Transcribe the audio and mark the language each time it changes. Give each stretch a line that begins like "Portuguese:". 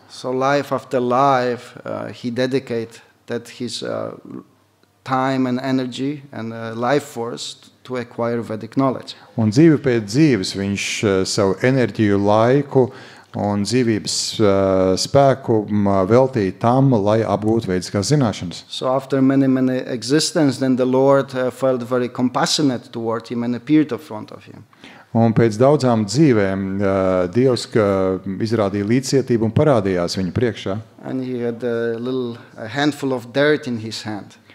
English: So life after life, he dedicate that his time and energy and life force to acquire Vedic knowledge.
Latvian: Un dzīvi pēc dzīves viņš savu enerģiju, laiku un dzīvības spēku veltīja tam, lai apgūtu vediskās zināšanas.
English: So after many, many existence, then the Lord felt very compassionate toward him and appeared in front of him.
Latvian: Un pēc daudzām dzīvēm Dievs izrādīja līdzcietību un parādījās viņu priekšā.
English: And he had a little a handful of dirt in his hand.